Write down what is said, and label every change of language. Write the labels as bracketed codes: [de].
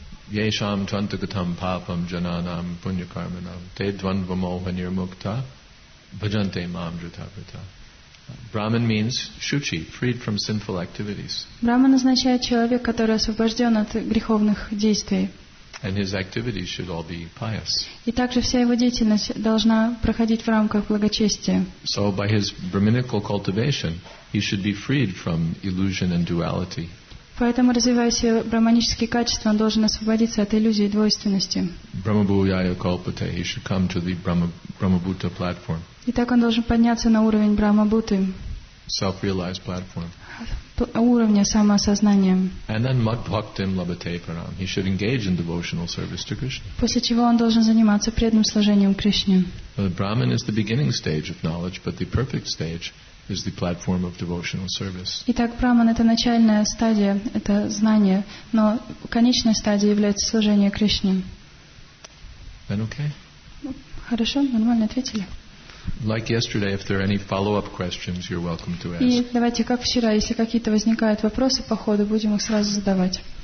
[sa] Yesham tvantagatam papam jananam punyakarmanam te dvandvamoha nirmukta bhajante mam jutaprita. [en] Brahman means shuchi, freed from sinful activities. [ru] Brahman означает человек, который освобожден от греховных действий. [en] And his activities should all be pious. [ru] И также вся его деятельность должна проходить в рамках благочестия. [en] So by his brahminical cultivation, he should be freed from illusion and duality. [ru] Поэтому, развивая все брахманические качества, он должен освободиться от иллюзии и двойственности. [en] He should come to the Brahma-Bhuta platform. [ru] И так он должен подняться на уровень Брахмабуты. [en] Self-realized platform. [ru] Уровня самоосознания. [en] And then [sa] mudbhaktim labhate pranam. [en] He should engage in devotional service to Krishna. [ru] После чего он должен заниматься преданным служением Кришне. [en] The Brahman is the beginning stage of knowledge, but the perfect stage is the platform of devotional service. [ru] Итак, Брахман — это начальная стадия, это знание, но конечная стадия является служение Кришне. [en] Then okay. [ru] Хорошо, нормально ответили. [en] Like yesterday, if there are any follow-up questions, you're welcome to ask. [ru] И давайте, как вчера, если какие-то возникают вопросы по ходу, будем их сразу задавать.